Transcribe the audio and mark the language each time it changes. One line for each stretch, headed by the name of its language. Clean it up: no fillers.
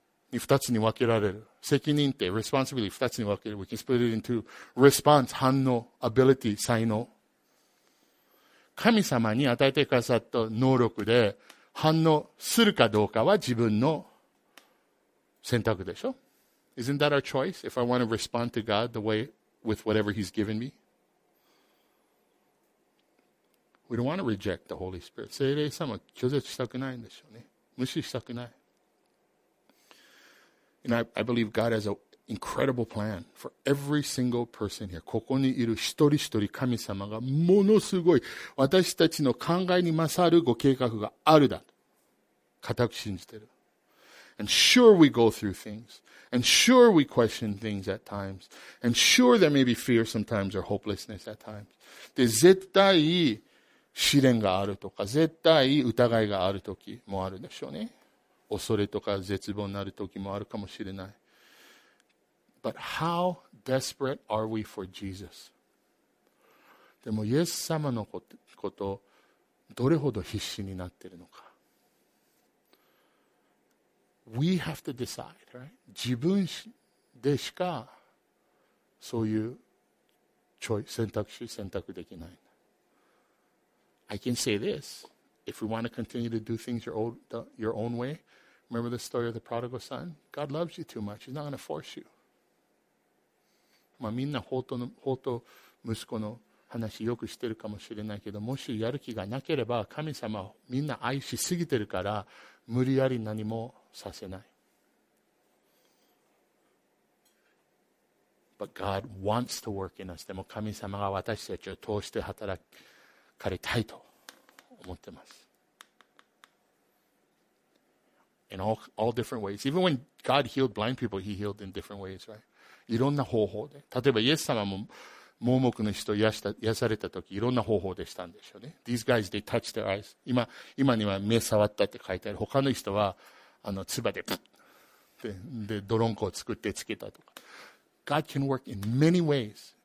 Japanese: 二つに分けられる。責任って responsibility 二つに分ける。
English: We can split it into response
Japanese: 反応、ability 才能。神様に与えてくださった能力で反応するかどうかは自分の選択でしょ。
English: Isn't that our choice? If I want to respond to God the way with whatever He's given me, we don't want to reject the Holy Spirit.
Japanese: 聖霊様は拒絶したくないんでしょうね。無視したくない。
English: And I believe God has an incredible plan for every single person here.
Japanese: ここにいる一人一人神様がものすごい私たちの考えに勝るご計画があるだと固く信じている。
English: And sure we go through things. And sure we question things at times. And sure there may be fear sometimes or hopelessness at times.
Japanese: で、絶対試練があるとか、絶対疑いがある時もあるでしょうね。恐れとか絶望になる時もあるかもしれない。
English: But how desperate are we for Jesus?
Japanese: でも、イエス様のこと、どれほど必死になっているのか。
English: We have to decide, right?
Japanese: 自分でしか、そういう選択肢、選択できない。
English: I can say this. If we want to continue to do things your own way,Remember the story of the prodigal son? God loves you too much. He's not going to force you.
Japanese: まあみんな放蕩息子の話よくしてるかもしれないけど、もしやる気がなければ神様をみんな愛しすぎてるから無理やり何もさせない。
English: But God wants to work in us.
Japanese: でも神様が私たちを通して働かれたいと思ってます。
English: In all different ways. Even when God healed blind people, He healed in different ways, right?
Japanese: いろんな方法で。例えば、イエス様も盲目の人を癒された時、いろんな方法でしたんでしょうね。
English: These guys, they touched their eyes.
Japanese: 今には目触ったって書いてある。他の人は、唾でプッって、で、ドロンコを作ってつけたとか。
English: God can work in many ways.